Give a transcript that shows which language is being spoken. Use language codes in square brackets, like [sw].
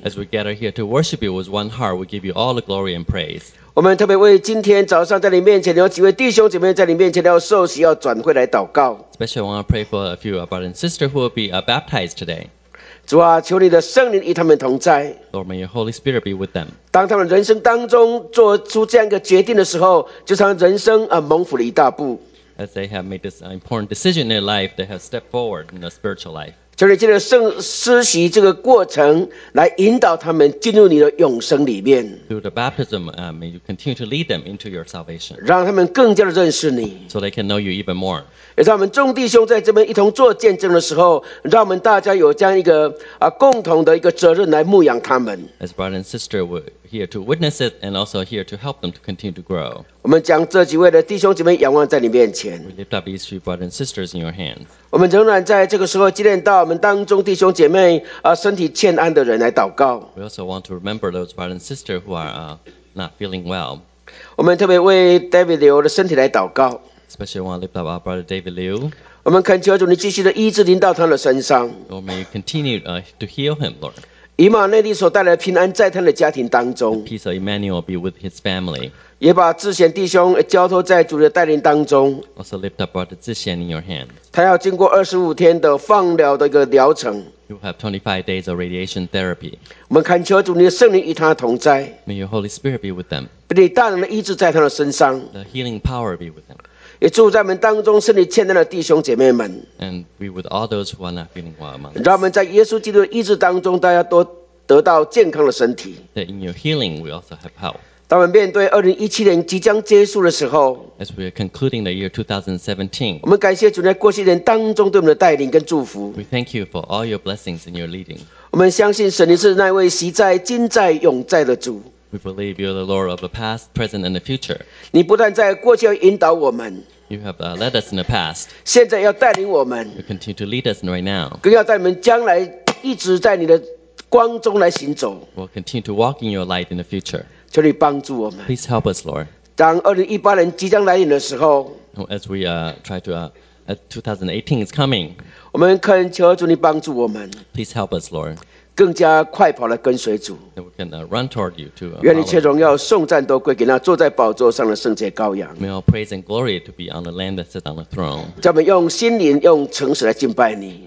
[en] As we gather here to worship you with one heart, we give you all the glory and praise. [zh] 我们特别为今天早上在你面前有几位弟兄姐妹在你面前要受洗,要转回来祷告。 [en] Especially I want to pray for a few brothers and sisters who will be baptized today. [zh] 主啊,求你的圣灵与他们同在。 [en] Lord, may your Holy Spirit be with them. [zh] 当他们人生当中做出这样一个决定的时候,就像人生蒙福了一大步。 [en] As they have made this important decision in their life, they have stepped forward in their spiritual life. [zh] 就是借着圣施洗这个过程来引导他们进入你的永生里面。 [en] Through the baptism, may you continue to lead them into your salvation. [zh] 让他们更加的认识你。 [en] So they can know you even more. [zh] 也让我们众弟兄在这边一同做见证的时候，让我们大家有这样一个共同的一个责任来牧养他们。 [en] As brother and sister, we're here to witness it and also here to help them to continue to grow. [zh] 我们将这几位的弟兄姐妹仰望在你面前。 [en] We lift up these three brothers and sisters in your hands. [zh] 我们仍然在这个时候纪念到我们当中弟兄姐妹身体欠安的人来祷告。 [en] We also want to remember those brothers and sisters who are not feeling well. [zh] 我们特别为 David Liu 的身体来祷告。 [en] Especially want to lift up our brother David Liu. [zh] 我们恳求主你继续的医治临到他的身上。 [en] Lord, may you continue to heal him, Lord. [zh] 以马内利所带来的平安在他的家庭当中。 [en] The peace of Emmanuel be with his family. [zh] 也把志贤弟兄交托在主的带领当中。 [en] Also lift up brother 志贤 in your hand. [zh] 他要经过25天的放疗的一个疗程。 [en] You have 25 days of radiation therapy. [zh] 我们恳求主你的圣灵与他同在。 [en] May your Holy Spirit be with them. [zh] 把你大能的医治在他的身上。 [en] The healing power be with them. [zh] 也住在我们当中身体欠安的弟兄姐妹们 [en] and be with all those who are not feeling well among us. [zh] 让我们在耶稣基督的医治当中大家都得到健康的身体 [en] that in your healing we also have health. [zh] 当我们面对2017年即将结束的时候 [en] as we are concluding the year 2017, [zh] 我们感谢主在过去年当中对我们的带领跟祝福 [en] we thank you for all your blessings and your leading. [zh] 我们相信神你是那位昔在今在永在的主 [en] We believe you are the Lord of the past, present, and the future. [zh] 你不但在过去要引导我们 [en] You have led us in the past. [zh] 现在要带领我们 [en] You continue to lead us right now. [zh] 更要带我们将来一直在你的光中来行走 [en] We'll continue to walk in your light in the future. [zh] 求你帮助我们 [en] Please help us, Lord. [zh] 当2018年即将来临的时候 [en] As we try to 2018 is coming. [zh] 我们恳求主你帮助我们 [en] Please help us, Lord. [zh] 更加快跑来跟随主。 [en] We can run toward you to. [zh] 愿一切荣耀颂赞都归给那坐在宝座上的圣洁羔羊。 [en] May all praise and glory to be on the Lamb that sits on the throne. [zh] 叫我们用心灵、用诚实来敬拜你。